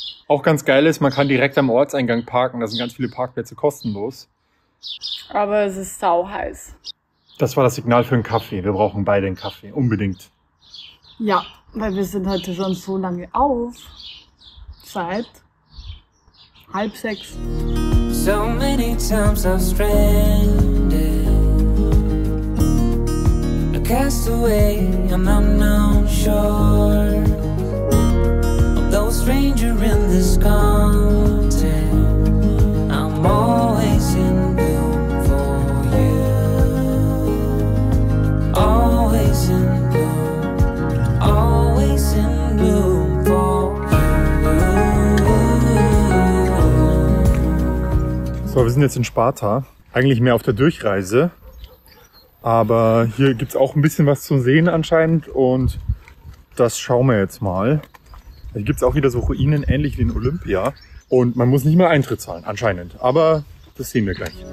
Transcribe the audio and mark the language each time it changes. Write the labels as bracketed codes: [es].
[de] Auch ganz geil ist, man kann direkt am Ortseingang parken. Da sind ganz viele Parkplätze kostenlos. Aber es ist sau heiß. Das war das Signal für einen Kaffee. Wir brauchen beide einen Kaffee. Unbedingt. Ja, weil wir sind heute schon so lange auf. Seit 5:30. [en] So many times I've stranded. A castaway, an unknown shore. Stranger in this content, I'm always in bloom for you, always in bloom, always in bloom for you. [de] So, wir sind jetzt in Sparta, eigentlich mehr auf der Durchreise, aber hier gibt es auch ein bisschen was zu sehen anscheinend und das schauen wir jetzt mal. Hier gibt es auch wieder so Ruinen, ähnlich wie in Olympia. Und man muss nicht mehr Eintritt zahlen, anscheinend. Aber das sehen wir gleich.